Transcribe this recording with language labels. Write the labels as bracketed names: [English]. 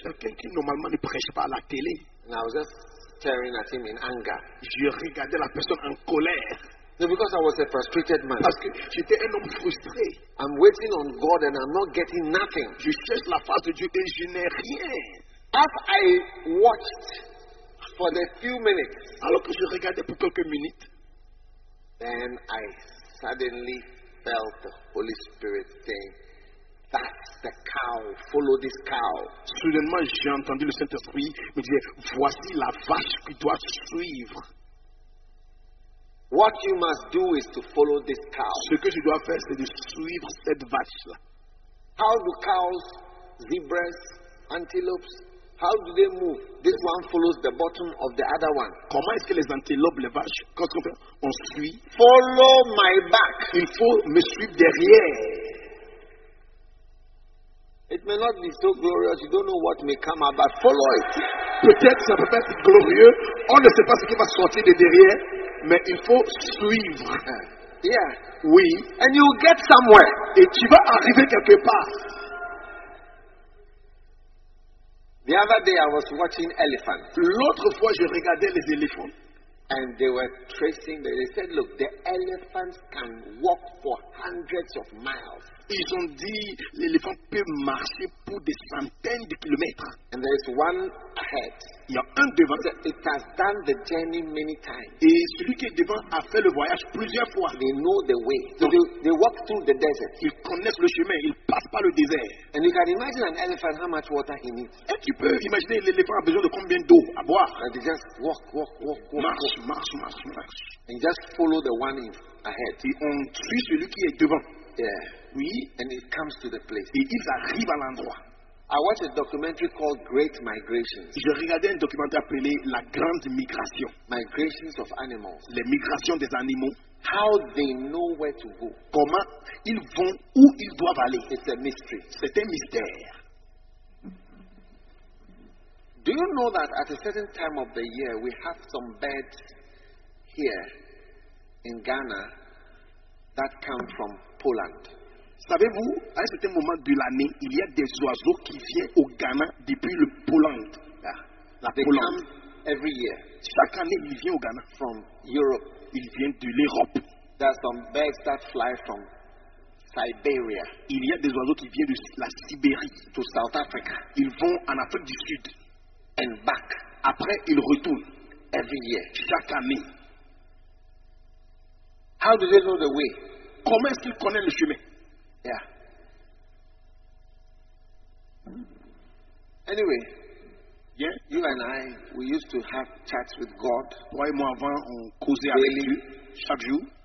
[French] Quelqu'un qui normalement ne prêche pas à la télé. [English] And I was just staring at him in anger. [French] Je regardais la personne en colère. [English] No, because I was a frustrated man. [French] Parce que j'étais un homme frustré. [English] I'm waiting on God and I'm not getting nothing. [French] Je cherche la face de Dieu et je n'ai rien. [English] As I watched for a few minutes, [French] alors que je regardais pour quelques minutes, [English] then I suddenly felt the Holy Spirit saying, "That's the cow. Follow this cow." [French] Soudainement, j'ai entendu le Saint-Esprit me dire, "Voici la vache que tu dois suivre." [English] What you must do is to follow this cow. [French] Ce que tu dois faire, c'est de suivre cette vache-là. [English] How do cows, zebras, antelopes, how do they move? This one follows the bottom of the other one. [French] Comment est-ce que les antelopes, les vaches, on suit? [English] Follow my back. [French] Il faut me suivre derrière. [English] It may not be so glorious, you don't know what may come up, but follow it. [French] Peut-être ça peut être glorieux, on ne sait pas ce qui va sortir de derrière, mais il faut suivre. [English] Yeah. [French] Oui. [English] And you'll get somewhere. [French] Et tu vas arriver quelque part. [English] The other day I was watching elephants. [French] L'autre fois je regardais les éléphants. [English] And they were tracing, they said, look, the elephants can walk for hundreds of miles. [French] Ils ont dit, l'éléphant peut marcher pour des centaines de kilomètres. [English] And there is one ahead. [French] Il y a un devant. [English] It has done the journey many times. [French] Et celui qui est devant a fait le voyage plusieurs fois. [English] They know the way. So they walk through the desert. [French] Ils connaissent le chemin, ils passent par le désert. [English] And you can imagine an elephant how much water he needs. [French] Et tu peux imaginer l'éléphant a besoin de combien d'eau à boire. [English] And they just walk. [French] Marche. [English] And just follow the one ahead. [French] Et on suit celui qui est devant. [English] Yeah. [French] Oui. [English] And it comes to the place. [French] Et ils arrivent à l'endroit. [English] I watched a documentary called Great Migrations. [French] Je regardais un documentaire appelé La Grande Migration. [English] Migrations of animals. [French] Les migrations des animaux. [English] How they know where to go. [French] Comment ils vont où ils doivent aller. [English] It's a mystery. [French] C'est un mystère. [English] Do you know that at a certain time of the year we have some birds here in Ghana that come from Poland? [French] Savez-vous, à un certain moment de l'année, il y a des oiseaux qui viennent au Ghana depuis le Poland. [English] Yeah. [French] La Poland. [English] They come every year. [French] Chaque année, ils viennent au Ghana. [English] From Europe. [French] Ils viennent de l'Europe. [English] There are some birds that fly from Siberia. [French] Il y a des oiseaux qui viennent de la Sibérie. [English] To South Africa. [French] Ils vont en Afrique du Sud. [English] And back. [French] Après, ils retournent. [English] Every year. [French] Chaque année. [English] How do they know the way? [French] Comment est-ce qu'ils connaissent le chemin? [English] Yeah. Anyway, yeah. You and I, we used to have chats with God. [French] Toi et moi avant, on causait avec lui chaque jour.